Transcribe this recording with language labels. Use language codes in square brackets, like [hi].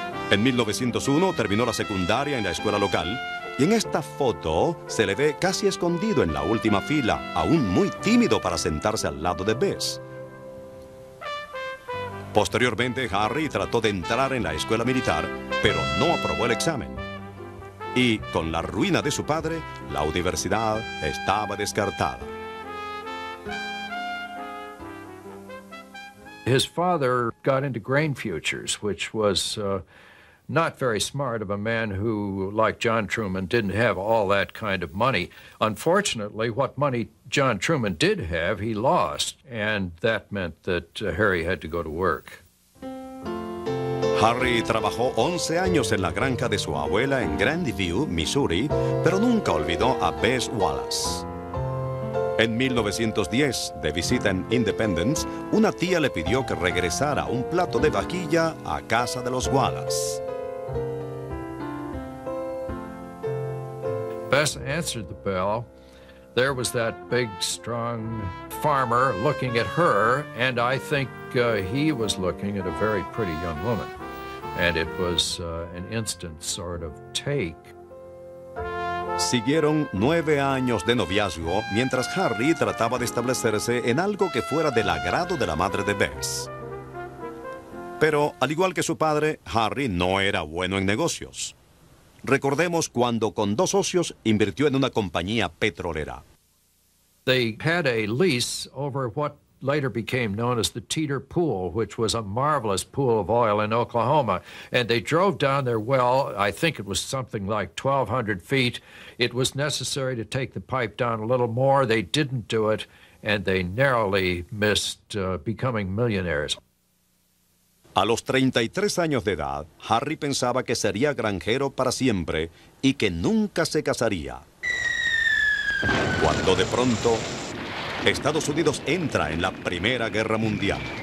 [es] En 1901 terminó la secundaria en la escuela local. Y en esta foto se le ve casi escondido en la última fila, aún muy tímido para sentarse al lado de Bess. Posteriormente, Harry trató de entrar en la escuela militar, pero no aprobó el examen. Y con la ruina de su padre, la universidad estaba descartada. [en] His father got into grain futures, which was not very smart of a man who, like John Truman, didn't have all that kind of money. Unfortunately, what money John Truman did have, he lost, and that meant that Harry had to go to work. [es] Harry trabajó 11 años en la granja de su abuela en Grandview, Missouri, pero nunca olvidó a Bess Wallace. En 1910, de visita en Independence, una tía le pidió que regresara un plato de vajilla a casa de los Wallace. [en] Bess answered the bell. There was that big, strong farmer looking at her, and I think he was looking at a very pretty young woman. And it was an instant sort of take. [es] Siguieron 9 años de noviazgo mientras Harry trataba de establecerse en algo que fuera del agrado de la madre de Bess. Pero, al igual que su padre, Harry no era bueno en negocios. Recordemos cuando, con 2 socios, invirtió en una compañía petrolera. [en] They had a lease over what later became known as the Teeter Pool, which was a marvelous pool of oil in Oklahoma. And they drove down their well, I think it was something like 1,200 feet. It was necessary to take the pipe down a little more. They didn't do it, and they narrowly missed becoming millionaires. [es] A los 33 años de edad, Harry pensaba que sería granjero para siempre y que nunca se casaría. Cuando de pronto, Estados Unidos entra en la Primera Guerra Mundial.